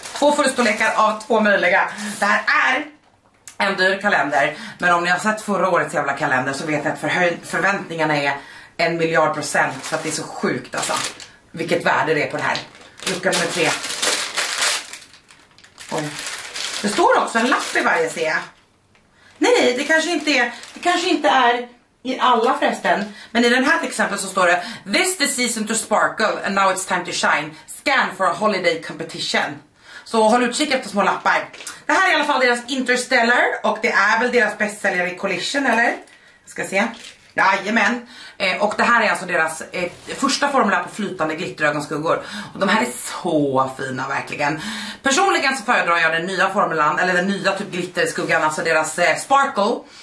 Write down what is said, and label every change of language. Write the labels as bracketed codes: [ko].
[sv] Två fullstorlekar av två möjliga. Det här är en dyr kalender, men om ni har sett förra årets jävla kalender så vet ni att förväntningarna är 1 miljard procent, för att det är så sjukt alltså. Vilket värde det är på det här. Lucka nummer tre. Oj. Det står också en lapp i varje, ser jag. Nej, det kanske inte är, det kanske inte är i alla förresten. Men i den här till exempel så står det: [en] this is season to sparkle and now it's time to shine. Scan for a holiday competition. [sv] Så håll utkik efter små lappar. Det här är i alla fall deras Interstellar. Och det är väl deras bästsäljare i Collision, eller? Jag ska se. Jajamän. Och det här är alltså deras första formulär på flytande glitterögonskuggor. Och de här är så fina verkligen. Personligen så föredrar jag den nya formulan, eller den nya typ glitterskuggan, alltså deras Sparkle.